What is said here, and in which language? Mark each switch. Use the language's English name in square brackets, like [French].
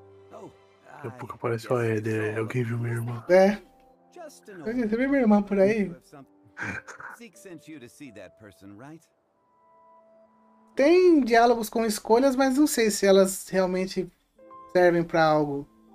[Portuguese] Daqui a pouco aparece o Ed, alguém viu minha irmã. É. Você viu minha irmã por aí? [English] Zeke sent you to see that person, right? [Portuguese] Tem diálogos com escolhas, mas não sei se elas realmente servem pra algo.